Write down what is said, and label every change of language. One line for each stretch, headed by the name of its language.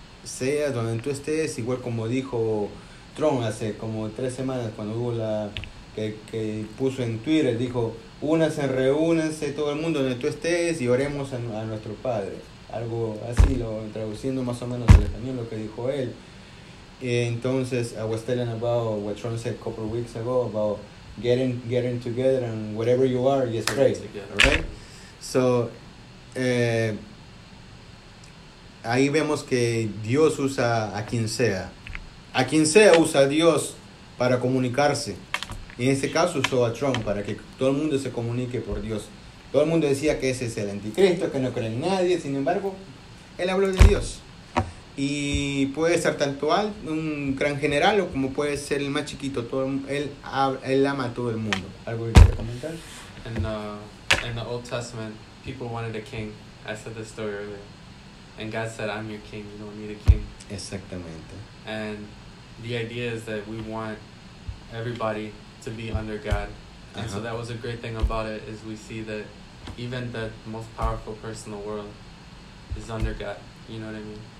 Spanish: Sea donde tú estés, igual como dijo Trump hace como 3 semanas, cuando hubo la que puso en Twitter, dijo, únanse, reúnanse todo el mundo donde tú estés y oremos a nuestro Padre. Algo así, traduciendo más o menos al español lo que dijo él.
English: Entonces, I was telling about what Trump said a couple of weeks ago about getting together and whatever you are, just pray. Right?
Spanish: So, ahí vemos que Dios usa a quien sea. A quien sea usa a Dios para comunicarse. Y en este caso usó a Trump para que todo el mundo se comunique por Dios. Todo el mundo decía que ese es el anticristo, que no cree en nadie. Sin embargo, él habló de Dios. Y puede ser tanto un gran general o como puede ser el más chiquito, él ama a todo el mundo. ¿Algo que quieras comentar?
English: In the Old Testament, people wanted a king. I said this story earlier. And God said, I'm your king, you don't need a king.
Spanish: Exactamente.
English: And the idea is that we want everybody to be under God. And uh-huh. So that was a great thing about it, is we see that even the most powerful person in the world is under God. You know what I mean?